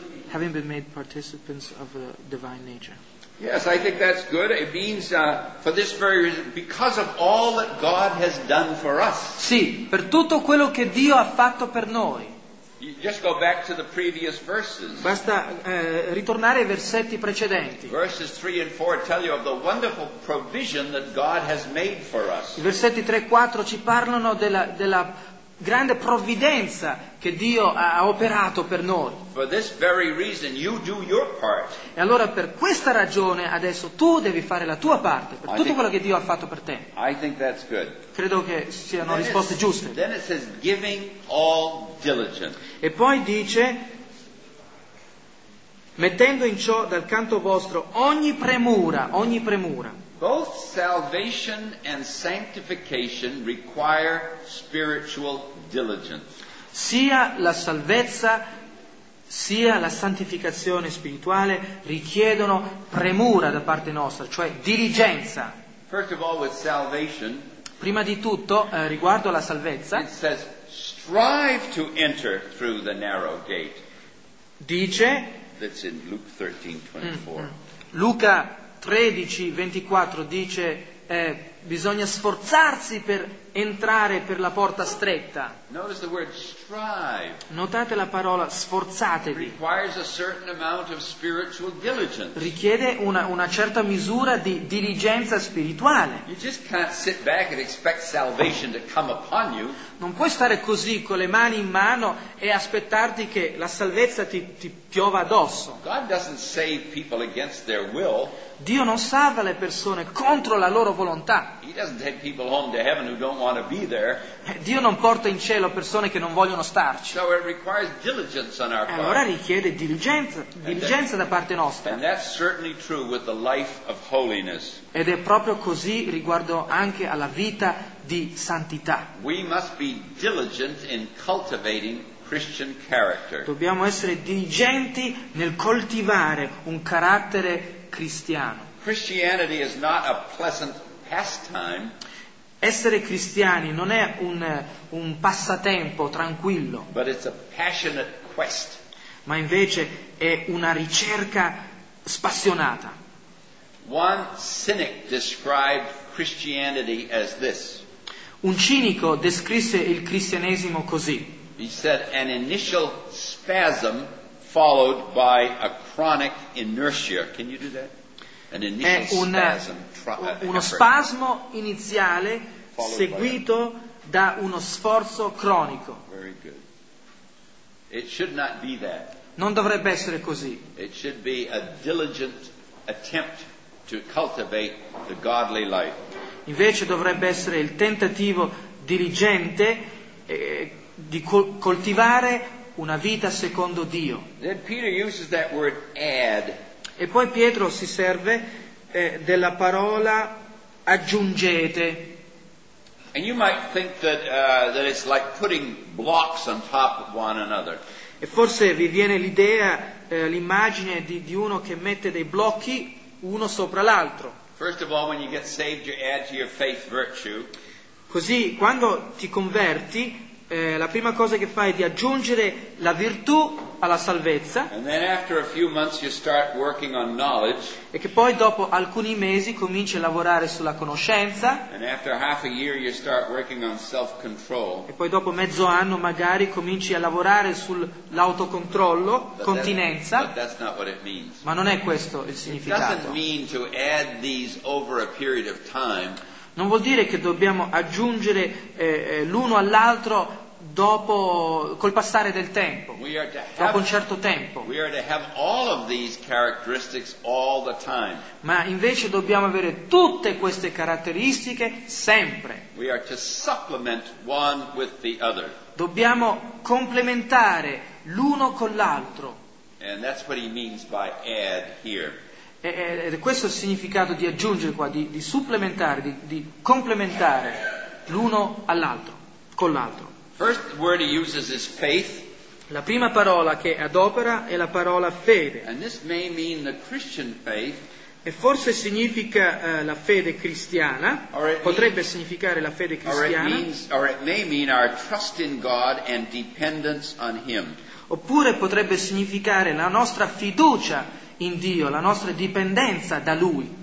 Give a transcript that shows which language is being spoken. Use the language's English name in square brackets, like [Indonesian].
[English] Having been made participants of the divine nature. Yes, I think that's good. It means for this very reason, because of all that God has done for us. [Italian] Sì, per tutto quello che Dio ha fatto per noi. [English] You just go back to the previous verses. [Italian] Basta ritornare ai versetti precedenti. [English] Verses 3 and 4 tell you of the wonderful provision that God has made for us. [Italian] I versetti 3 e 4 ci parlano della grande provvidenza che Dio ha operato per noi. [English] For this very reason, you do your part. [Italian] E allora per questa ragione adesso tu devi fare la tua parte per tutto quello che Dio ha fatto per te. [English] I think that's good. [Italian] Credo che siano risposte giuste. [English] Then it says giving all diligence. [Italian] E poi dice mettendo in ciò dal canto vostro ogni premura, ogni premura. [English] Both salvation and sanctification require spiritual diligence. [Italian] Sia la salvezza sia la santificazione spirituale richiedono premura da parte nostra, cioè diligenza. [English] First of all, with salvation, [Italian] prima di tutto, riguardo alla salvezza, [English] it says, strive to enter through the narrow gate. [Italian] Dice, [English] that's in Luke 13:24. [Italian] Luca 13:24 dice, bisogna sforzarsi per entrare per la porta stretta. [English] Notice the word strive. [Italian] Notate la parola sforzatevi. [English] It requires a certain amount of spiritual diligence. [Italian] Richiede una certa misura di diligenza spirituale. [English] You just can't sit back and expect salvation to come upon you. [Italian] Non puoi stare così con le mani in mano e aspettarti che la salvezza ti piova addosso. [English] God doesn't save people against their will. [Italian] Dio non salva le persone contro la loro volontà. [English] He doesn't take people home to heaven who don't want to be there. [Italian] Dio non porta in cielo persone che non vogliono starci. [English] So it requires diligence on our part. [Italian] Allora richiede diligenza da parte nostra. [English] And that's certainly true with the life of holiness. [Italian] Ed è proprio così riguardo anche alla vita di santità. [English] We must be diligent in cultivating Christian character. [Italian] Dobbiamo essere diligenti nel coltivare un carattere cristiano. [English] Christianity is not a pleasant pastime. [Italian] Essere cristiani non è un passatempo tranquillo, [English] but it's a passionate quest. [Italian] Ma invece è una ricerca spassionata. [English] One cynic described Christianity as this. [Italian] Un cinico descrisse il cristianesimo così. [English] He said an initial spasm followed by a chronic inertia. Can you do that? An [Italian] è un, [English] spasm, [Italian] uno spasmo iniziale seguito da uno sforzo cronico. [English] Very good. It should not be that. [Italian] Non dovrebbe essere così. [English] It should be a diligent attempt to cultivate the godly life. [Italian] Invece dovrebbe essere il tentativo diligente di coltivare una vita secondo Dio. [English] Then Peter uses that word add. [Italian] E poi Pietro si serve della parola aggiungete. [English] And you might think that it's like putting blocks on top of one another. [Italian] E forse vi viene l'idea, l'immagine di uno che mette dei blocchi uno sopra l'altro. [English] First of all, when you get saved, you add to your faith virtue. [Italian] Così, quando ti converti, la prima cosa che fai è di aggiungere la virtù alla salvezza. [English] And then after a few months you start working on knowledge. [Italian] E che poi dopo alcuni mesi cominci a lavorare sulla conoscenza. [English] And after half a year you start working on self-control. [Italian] E poi dopo mezzo anno magari cominci a lavorare sull'autocontrollo, continenza. [English] But that's not what it means. [Italian] Ma non è questo il significato. [English] It doesn't mean to add these over a period of time. [Italian] Non vuol dire che dobbiamo aggiungere l'uno all'altro dopo col passare del tempo, dopo un certo tempo. [English] We are to have all of these characteristics all the time. [Italian] Ma invece dobbiamo avere tutte queste caratteristiche sempre. [English] We are to supplement one with the other. [Italian] Dobbiamo complementare l'uno con l'altro. [English] And that's what he means by add here. [Italian] E questo è il significato di aggiungere qua, di supplementare, di complementare l'uno all'altro, con l'altro. [English] First word he uses is faith. [Italian] La prima parola che adopera è la parola fede. [English] And this may mean the Christian faith. [Italian] E forse significa la fede cristiana, potrebbe [English] means, [Italian] significare la fede cristiana. [English] Or it may mean our trust in God and dependence on Him. [Italian] Oppure potrebbe significare la nostra fiducia in Dio, la nostra dipendenza da Lui.